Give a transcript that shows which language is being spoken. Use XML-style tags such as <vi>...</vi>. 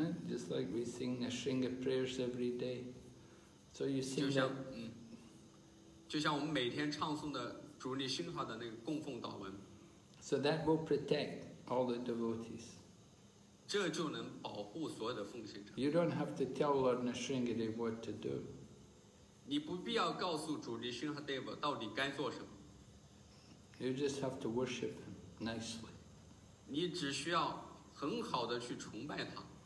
<en>Just like we sing Nrisimha prayers every day. So you sing that.</en> <zh>就像我们每天唱诵的主李生哈的那个供奉祷文。</zh> <en>So that will protect all the devotees.</en> <zh>这就能保护所有的奉献者。</zh> <en>You don't have to tell Lord Nrisimhadev what to do.</en> <zh>你不必要告诉主李生哈 Dev 到底该做什么。</zh> <en>You just have to worship him nicely.</en> <zh>你只需要很好的去崇拜他。</zh>